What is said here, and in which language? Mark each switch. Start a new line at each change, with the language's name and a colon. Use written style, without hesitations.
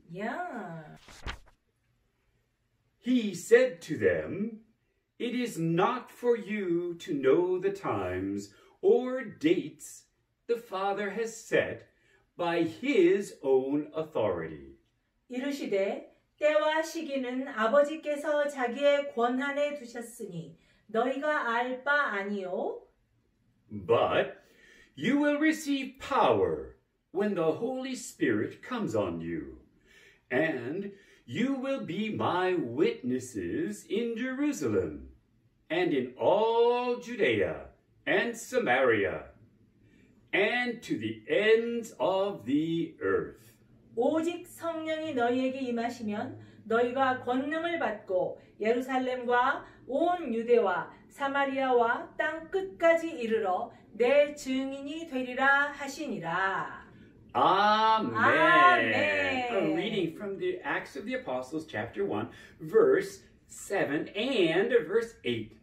English: Yeah. He said to them, "It is not for you to know the times or dates the Father has set by his own authority."
Korean: 이르시되 때와 시기는 아버지께서 자기의 권한에 두셨으니 너희가 알 바 아니요.
English: But you will receive power when the Holy Spirit comes on you, and you will be my witnesses in Jerusalem, and in all Judea and Samaria, and to the ends of the earth.
Korean: 오직 성령이 너희에게 임하시면 너희가 권능을 받고 예루살렘과 온 유대와 사마리아와 땅 끝까지 이르러 내 증인이 되리라 하시니라.
English: Amen. Amen. A reading from the Acts of the Apostles, chapter 1, verse 7 and verse 8.